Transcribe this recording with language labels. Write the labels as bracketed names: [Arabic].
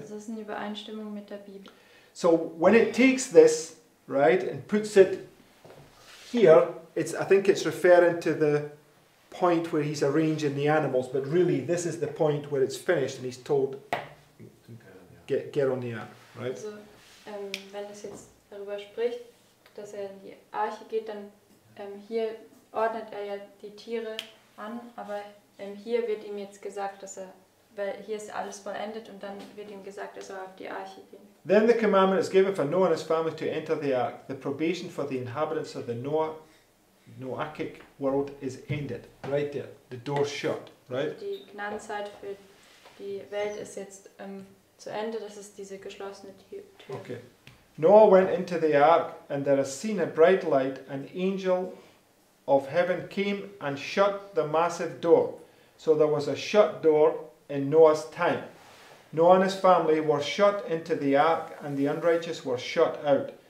[German] Das ist eine Übereinstimmung mit der Bibel. [English] So when it takes this, right, and puts it here, I think it's referring to the point where he's arranging the animals, but really this is the point where it's finished and he's told get on the ark, right? [German] Also wenn es jetzt darüber spricht, dass in die Arche geht, dann hier ordnet ja die Tiere an, aber hier wird ihm jetzt gesagt, dass weil hier ist alles vollendet und dann wird ihm gesagt, er soll auf die Arche gehen. [English] Then the commandment is given for Noah and his family to enter the ark. The probation for the inhabitants of the Noahic world is ended. Right there. The door shut. Right? [German] Die Gnadenzeit für die Welt ist jetzt zu Ende. Das ist diese geschlossene Tür. [English] Okay. Noah went into the ark and there is seen a bright light. An angel of heaven came and shut the massive door. So there was a shut door in Noah's time. Noah and his family were shut into the ark and the unrighteous were shut out.